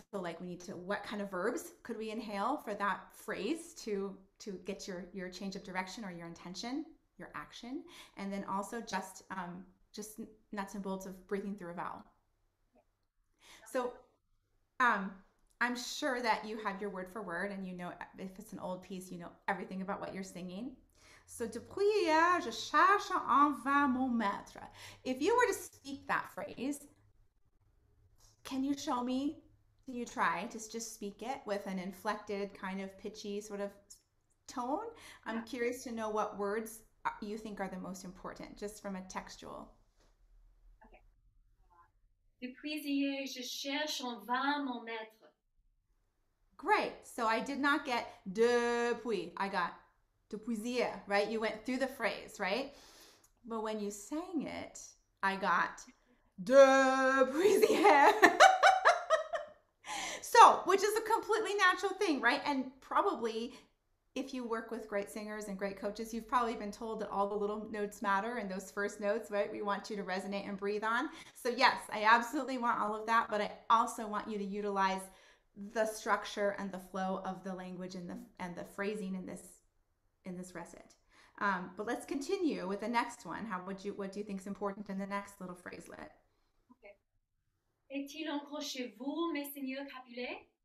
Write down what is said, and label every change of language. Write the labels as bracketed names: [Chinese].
[English] So like we need to, what kind of verbs could we inhale for that phrase to get your change of direction or your intention, your action? And then also just nuts and bolts of breathing through a vowel. So I'm sure that you have your word for word, and you know, if it's an old piece, you know everything about what you're singing. [French] So de prier, je cherche en vain mon maître. [English] If you were to speak that phrase, can you show me, can you try to just speak it with an inflected kind of pitchy sort of tone? I'm curious to know what words you think are the most important, just from a textual. [French] Depuis hier, je cherche en vain mon maître. [English] Great. So I did not get depuis. I got [French] depuis hier, [English] right? You went through the phrase, right? But when you sang it, I got [French] depuis hier. [English] So, which is a completely natural thing, right? And probably if you work with great singers and great coaches, you've probably been told that all the little notes matter and those first notes, right? We want you to resonate and breathe on. So yes, I absolutely want all of that, but I also want you to utilize the structure and the flow of the language and the phrasing in this recit. But let's continue with the next one. How would you, what do you think is important in the next little phraselet? [French] Okay. Est-il encore chez vous, Monsieur Capulet?